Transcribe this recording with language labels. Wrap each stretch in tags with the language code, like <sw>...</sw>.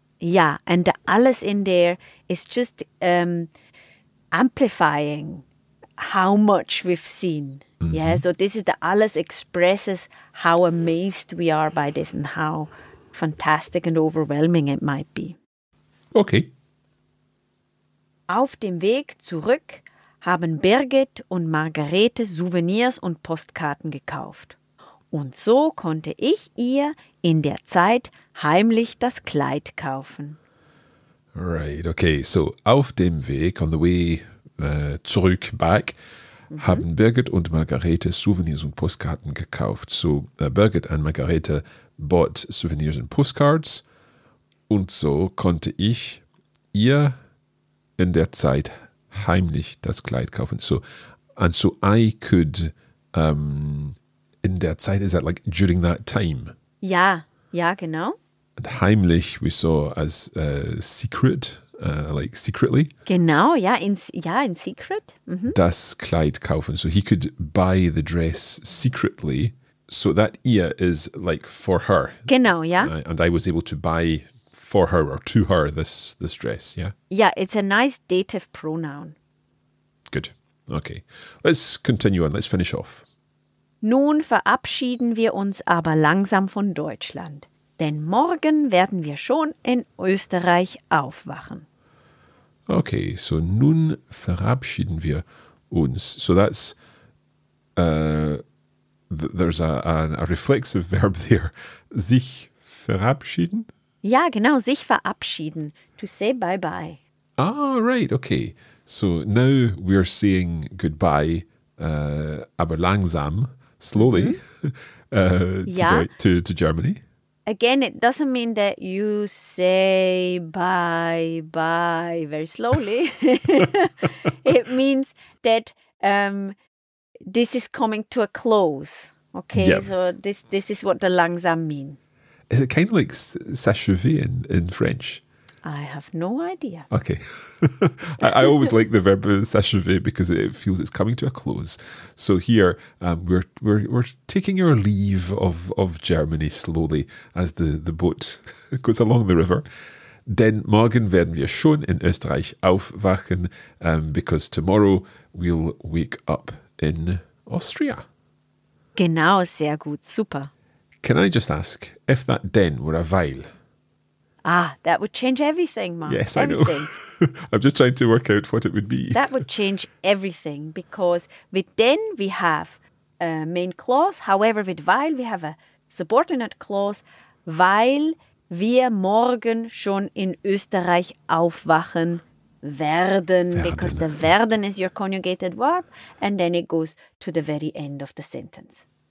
<en>Yeah, and alles in there is just... amplifying how much we've seen. Mm-hmm. Yeah, so this is the alles expresses how amazed we are by this and how fantastic and overwhelming it might be. Okay.</en> <de>Auf dem Weg zurück haben Birgit und Margarete Souvenirs und Postkarten gekauft. Und so konnte ich ihr in der Zeit heimlich das Kleid kaufen.</de> <en>Right, okay, so</en> <de>auf dem Weg,</de> <en>on the way zurück, back,</en> <de>haben Birgit und Margarete Souvenirs und Postkarten gekauft. So Birgit und Margarete</de> <en>bought Souvenirs and Postcards</en> <de>und so konnte ich ihr in der Zeit heimlich das Kleid kaufen.</de> <en>So, and so I could,</en> <de>in der Zeit,</de> <en>is that like during that time?</en> <de>Ja, genau.</de> <en>And heimlich, we saw as secret, like secretly. Genau, yeah, in secret.</en> <de>Mm-hmm. Das Kleid kaufen.</de> <en>So he could buy the dress secretly. So that ihr is like for her. Genau, yeah. And I was able to buy for her or to her this dress, yeah? Yeah, it's a nice dative pronoun. Good. Okay. Let's continue on. Let's finish off.</en> <de>Nun verabschieden wir uns aber langsam von Deutschland. Denn morgen werden wir schon in Österreich aufwachen. Okay, so nun verabschieden wir uns.</de> <en>So that's... there's a reflexive verb there.</en> <de>Sich verabschieden? Ja, genau. Sich verabschieden. To say bye-bye.</de> <en>Ah, right. Okay. So now we're saying goodbye,</en> <de>aber langsam,</de> <en>slowly, to Germany. Again, it doesn't mean that you say bye-bye very slowly. It means that this is coming to a close. Okay, yep. So this is what the langsam mean. Is it kind of like s'achever in French? I have no idea. Okay. I always like the verb s'achever because it feels it's coming to a close. So here we're taking our leave of Germany slowly as the boat goes along the river.</en> <de>Denn morgen werden wir schon in Österreich aufwachen,</de> <en>because tomorrow we'll wake up in Austria.</en> <de>Genau, sehr gut, super.</de> <en>Can I just ask, if that den were a weil? Ah, that would change everything, Mark. Yes, everything. I know. I'm just trying to work out what it would be. That would change everything, because with den we have a main clause, however with weil we have a subordinate clause,</en> <de>weil wir morgen schon in Österreich aufwachen werden,</de> <en>because the werden is your conjugated verb, and then it goes to the very end of the sentence.</en>